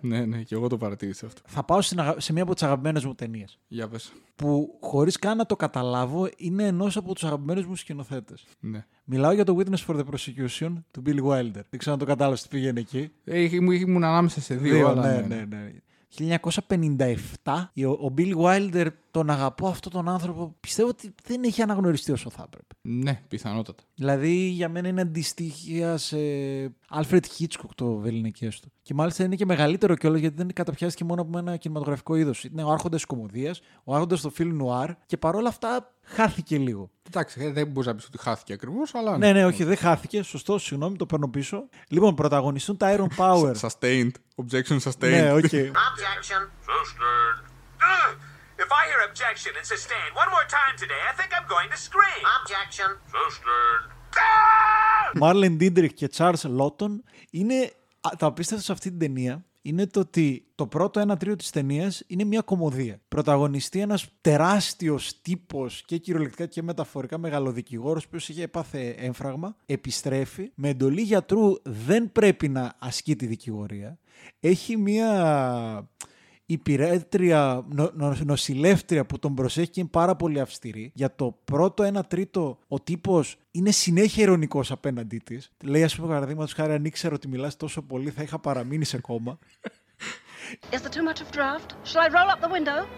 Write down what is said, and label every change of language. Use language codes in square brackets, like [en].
[el] Ναι, ναι, και εγώ το παρατήρησα αυτό. Θα πάω σε μία από τις αγαπημένες μου ταινίες. Για πες. Που χωρίς καν να το καταλάβω, είναι ενός από τους αγαπημένους μου σκηνοθέτες. Ναι. Μιλάω για το Witness for the Prosecution του Billy Wilder. Δεν ξέρω αν το κατάλαβες τι πήγαινε εκεί. Ήμουν ανάμεσα σε δύο. Αλλά, ναι. 1957, ο Billy Wilder, τον αγαπώ αυτόν τον άνθρωπο, πιστεύω ότι δεν έχει αναγνωριστεί όσο θα έπρεπε. Ναι, πιθανότατα. Δηλαδή, για μένα είναι αντιστοιχεία σε Alfred Hitchcock το Βεληνικές του. Και μάλιστα είναι και μεγαλύτερο κιόλας, γιατί δεν καταπιάστηκε μόνο από ένα κινηματογραφικό είδος. Είναι ο άρχοντας της κωμωδίας, ο άρχοντας του φιλμ νουάρ, και παρόλα αυτά χάθηκε λίγο. Εντάξει, δεν μπορεί να πει ότι χάθηκε ακριβώς, αλλά. Ναι, ναι, όχι, δεν χάθηκε. Σωστό, συγγνώμη, το παίρνω πίσω. Λοιπόν, πρωταγωνιστούν τα Iron Power. [en] Sustained. Objection sustained. [el] Ναι, [en] okay. Objection sustained. If I hear objection and sustained one more time today, I think I'm going to scream. Objection sustained. [el] Marlene Dietrich και Charles Lawton είναι. Το απίστευτο σε αυτή την ταινία είναι το ότι το πρώτο 1/3 της ταινίας είναι μια κωμωδία. Πρωταγωνιστεί ένας τεράστιος τύπος και κυριολεκτικά και μεταφορικά μεγαλοδικηγόρος, που είχε έπαθε έμφραγμα, επιστρέφει. Με εντολή γιατρού δεν πρέπει να ασκεί τη δικηγορία. Έχει μια υπηρέτρια, νοσηλεύτρια που τον προσέχει και είναι πάρα πολύ αυστηρή. Για το πρώτο 1/3 ο τύπος είναι συνέχεια ειρωνικός απέναντί της. Λέει, ας πούμε, παραδείγματος χάρη, αν ήξερα ότι μιλάς τόσο πολύ θα είχα παραμείνει σε κόμμα. [en] Is there too much of draft? Shall I roll up the window?